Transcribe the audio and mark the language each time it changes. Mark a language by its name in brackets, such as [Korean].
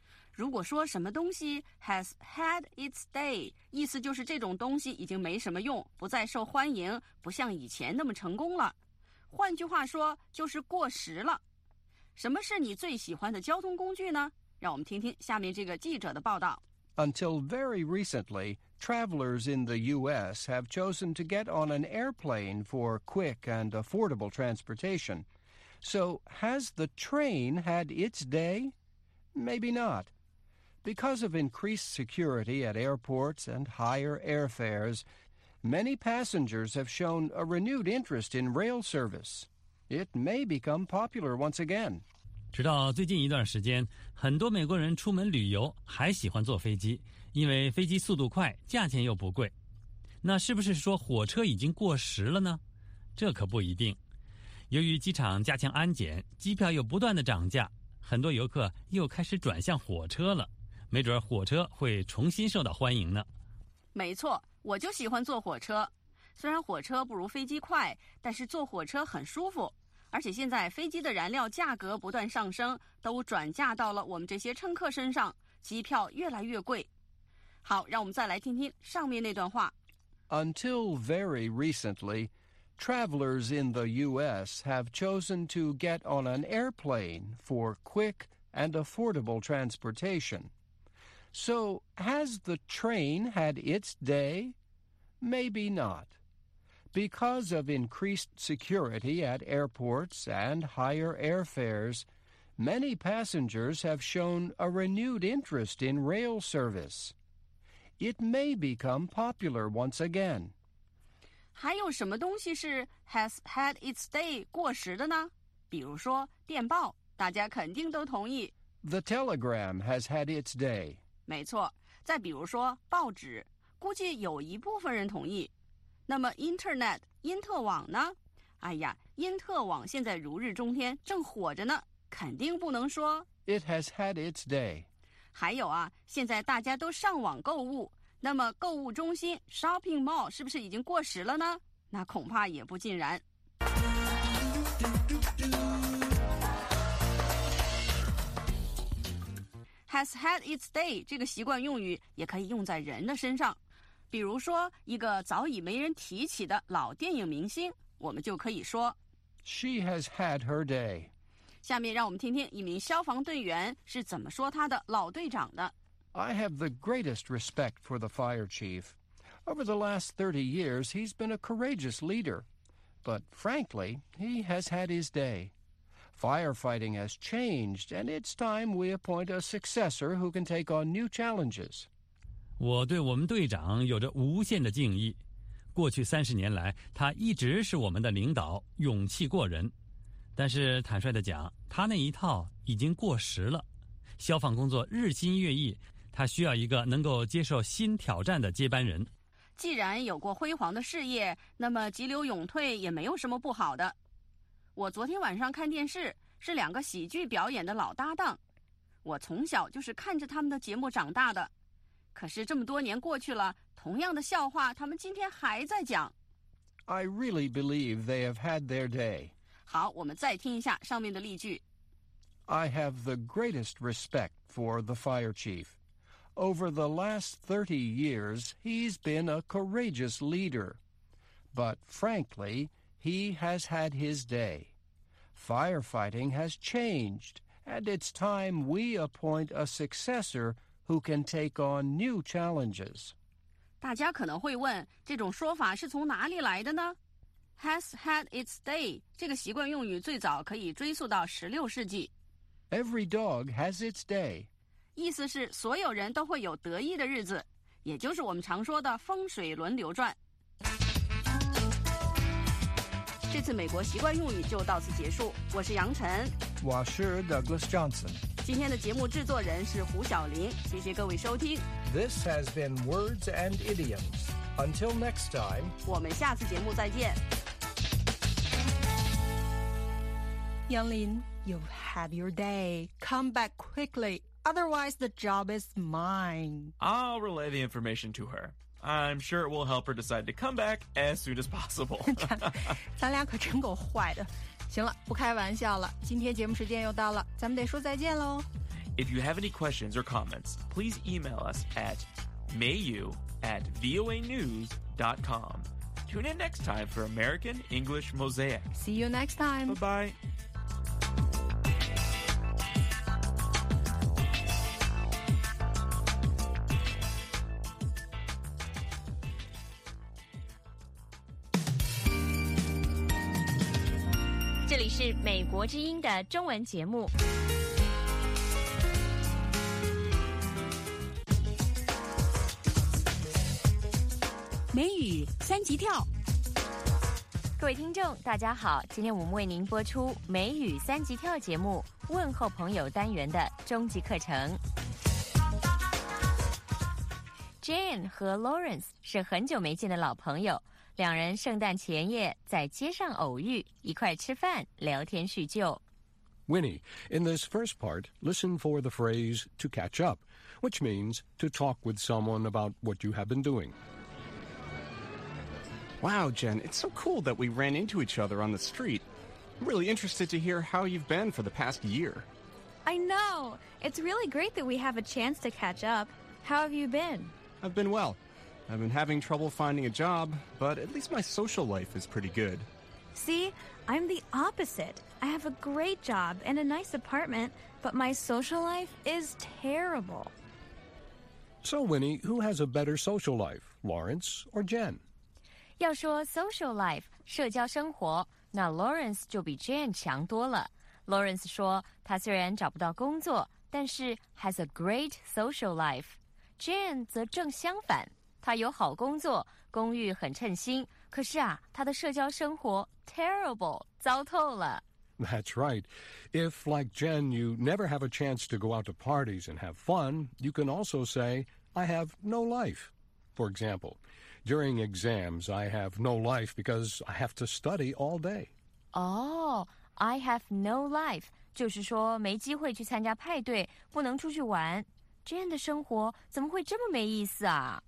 [Chinese] 如果说什么东西 [English] Has had its day， [Chinese] 意思就是这种东西已经没什么用，不再受欢迎，不像以前那么成功了，换句话说就是过时了。什么是你最喜欢的交通工具呢？让我们听听下面这个记者的报道。 [English] Until very recently, travelers in the U.S. have chosen to get on an airplane for quick and affordable transportation. So, has the train had its day? Maybe not. Because of increased security at airports and higher airfares, many passengers have shown a renewed interest in rail service. It may become popular once again. [Chinese] 直到最近一段时间，很多美国人出门旅游还喜欢坐飞机，因为飞机速度快，价钱又不贵。那是不是说火车已经过时了呢？这可不一定。由于机场加强安检，机票又不断的涨价，很多游客又开始转向火车了，没准火车会重新受到欢迎呢。没错，我就喜欢坐火车，虽然火车不如飞机快，但是坐火车很舒服，而且现在飞机的燃料价格不断上升，都转嫁到了我们这些乘客身上，机票越来越贵。好，让我们再来听听上面那段话。 [English] Until very recently, travelers in the U.S. have chosen to get on an airplane for quick and affordable transportation. So, has the train had its day? Maybe not. Because of increased security at airports and higher airfares, many passengers have shown a renewed interest in rail service. It may become popular once again. [Chinese] 还有什么东西是 [English] has had its day [Chinese] 过时的呢？比如说电报，大家肯定都同意。 [English] The telegram has had its day. [Chinese] 没错，再比如说报纸，估计有一部分人同意。那么 Internet 因特网呢？哎呀，因特网现在如日中天，正火着呢，肯定不能说 [English] It has had its day. [Chinese] 还有啊，现在大家都上网购物，那么购物中心 Shopping Mall 是不是已经过时了呢？那恐怕也不尽然。 [English] Has had its day [Chinese] 这个习惯用语也可以用在人的身上，比如说一个早已没人提起的老电影明星，我们就可以说 [English] She has had her day. [Chinese] 下面让我们听听一名消防队员是怎么说他的老队长的。 [English] I have the greatest respect for the fire chief. Over the last 30 years, he's been a courageous leader. But frankly, he has had his day. Firefighting has changed, and it's time we appoint a successor who can take on new challenges. [Chinese] 我对我们队长有着无限的敬意。过去30年来，他一直是我们的领导，勇气过人。但是坦率地讲，他那一套已经过时了。消防工作日新月异，他需要一个能够接受新挑战的接班人。既然有过辉煌的事业，那么急流勇退也没有什么不好的。我昨天晚上看电视，是两个喜剧表演的老搭档，我从小就是看着他们的节目长大的。可是这么多年过去了，同样的笑话他们今天还在讲。 [English] I really believe they have had their day. [Chinese] 好，我们再听一下上面的例句。 [English] I have the greatest respect for the fire chief. Over the last 30 years, he's been a courageous leader. But frankly, he has had his day. Firefighting has changed, and it's time we appoint a successor who can take on new challenges. [Chinese] 大家可能会问，这种说法是从哪里来的呢？ [English] Has had its day [Chinese] 这个习惯用语最早可以追溯到16世纪。 [English] Every dog has its day. [Chinese] 意思是所有人都会有得意的日子，也就是我们常说的风水轮流转。这次美国习惯用语就到此结束，我是杨晨，我是 Douglas Johnson。今天的节目制作人是胡晓琳，谢谢各位收听。 [English] This has been Words and Idioms. Until next time, [Chinese] 我们下次节目再见。 [English] 杨琳 you have your day. Come back quickly. Otherwise, the job is mine. I'll relay the information to her. I'm sure it will help her decide to come back as soon as possible. [Chinese] 咱俩可真够坏的。行了，不开玩笑了，今天节目时间又到了，咱们得说再见咯。 [English] If you have any questions or comments, please email us at mayu@voanews.com. Tune in next time for American English Mosaic. See you next time. Bye-bye. [Chinese] 是美国之音的中文节目。美语三级跳。各位听众大家好，今天我们为您播出美语三级跳节目问候朋友单元的终极课程。 Jane 和 Lawrence 是很久没见的老朋友，两人圣诞前夜在街上偶遇，一块吃饭聊天叙旧。 [English] Winnie, in this first part, listen for the phrase to catch up, which means to talk with someone about what you have been doing. Wow, Jen, it's so cool that we ran into each other on the street. I'm really interested to hear how you've been for the past year. I know! It's really great that we have a chance to catch up. How have you been? I've been well. I've been having trouble finding a job, but at least my social life is pretty good. See, I'm the opposite. I have a great job and a nice apartment, but my social life is terrible. So, Winnie, who has a better social life, Lawrence or Jen? [Chinese] 要说 [English] social life, [Chinese] 社交生活，那 Lawrence 就比 Jen 强多了。 Lawrence 说他虽然找不到工作，但是 [English] has a great social life。 [Chinese] Jen 则正相反，他有好工作，公寓很称心，可是啊，他的社交生活 terrible, 糟透了。 [English] That's right. If, like Jen, you never have a chance to go out to parties and have fun, you can also say, I have no life. For example, during exams, I have no life because I have to study all day. Oh, I have no life. [Chinese] 就是说没机会去参加派对，不能出去玩。 Jen 的生活怎么会这么没意思啊？